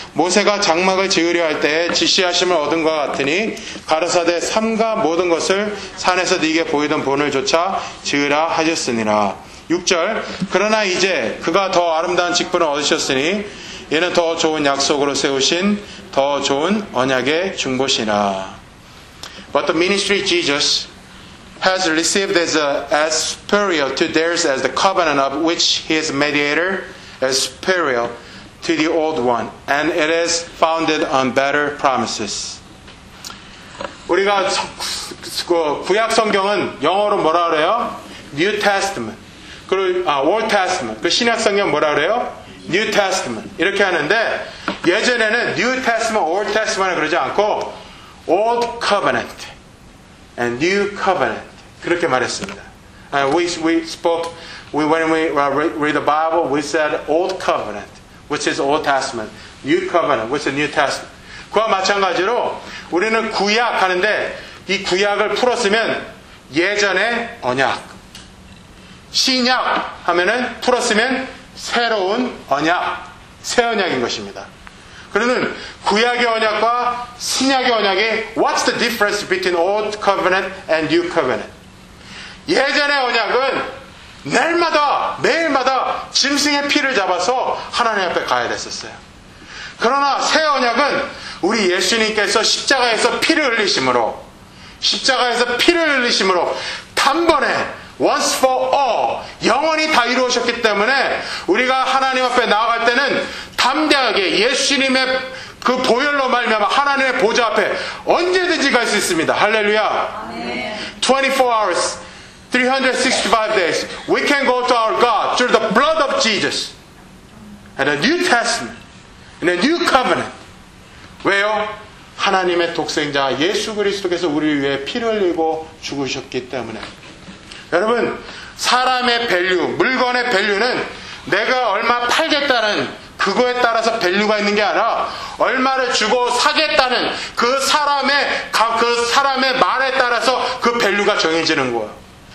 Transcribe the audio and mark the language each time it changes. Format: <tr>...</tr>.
<ko>모세가 장막을 지으려 할 때 지시하심을 얻은 것 같으니 가르사대 삼가 모든 것을 산에서 네게 보이던 본을 조차 지으라 하셨으니라. 6절 그러나 이제 그가 더 아름다운 직분을 얻으셨으니 얘는 더 좋은 약속으로 세우신 더 좋은 언약의 중보시라.</ko> <en>But the ministry Jesus has received is as superior to theirs as the covenant of which he is mediator is superior to the old one. And it is founded on better promises.</en> <ko>우리가 구약 성경은 영어로 뭐라 그래요?</ko> <en>New Testament.</en> <ko>그리고</ko> <en>Old Testament.</en> <ko>그 신약 성경 뭐라 그래요? New Testament 이렇게 하는데 예전에는 New Testament, Old Testament을 그러지 않고</ko> <en>Old Covenant and New Covenant</en> <ko>그렇게 말했습니다.</ko> <en>And we spoke we when we read the Bible we said Old Covenant which is Old Testament, New Covenant which is New Testament.</en> <ko>그와 마찬가지로 우리는 구약 하는데 이 구약을 풀었으면 예전의 언약 신약 하면은 풀었으면 새로운 언약, 새 언약인 것입니다. 그러면 구약의 언약과 신약의 언약이</ko> <en>What's the difference between Old Covenant and New Covenant?</en> <ko>예전의 언약은 날마다 매일마다 짐승의 피를 잡아서 하나님 앞에 가야 됐었어요. 그러나 새 언약은 우리 예수님께서 십자가에서 피를 흘리심으로 단번에</ko> <en>once for all</en> <ko>영원히 다 이루어졌기 때문에 우리가 하나님 앞에 나아갈 때는 담대하게 예수님의 그 보혈로 말미암아 하나님의 보좌 앞에 언제든지 갈 수 있습니다. 할렐루야.</ko> <en>24 hours 365 days we can go to our God through the blood of Jesus and a new testament and a new covenant.</en> <ko>왜요? 하나님의 독생자 예수 그리스도께서 우리를 위해 피를 흘리고 죽으셨기 때문에. 여러분, 사람의 밸류, 물건의 밸류는 내가 얼마 팔겠다는 그거에 따라서 밸류가 있는 게 아니라 얼마를 주고 사겠다는 그 사람의 말에 따라서 그 밸류가 정해지는 거예요.</ko>